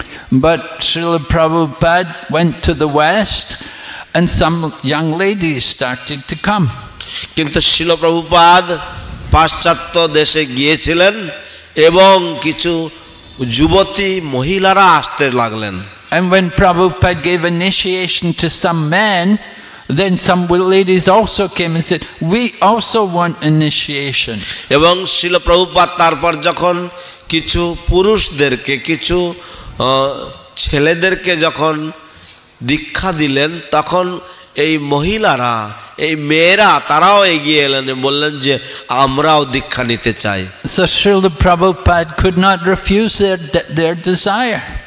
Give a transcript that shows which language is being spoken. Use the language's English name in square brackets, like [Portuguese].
[English] But Srila Prabhupada went to the west and some young ladies started to come. [Bangla] কিন্তু শ্রীল প্রভুপাদ পাশ্চাত্য দেশে গিয়েছিলেন এবং কিছু যুবতী মহিলারা আসতে লাগলেন. [English] And when Prabhupada gave initiation to some men, then some ladies also came and said, we also want initiation. [Bangla] এবং শ্রীল প্রভুপাদ তারপর যখন কিছু পুরুষদেরকে, কিছু ছেলেদেরকে যখন দীক্ষা দিলেন, তখন এই মহিলারা, এই মেয়েরা তারাও এগিয়ে এলেন, বললেন যে আমরাও দীক্ষা নিতে চাই. [English] So Srila Prabhupada could not refuse their desire.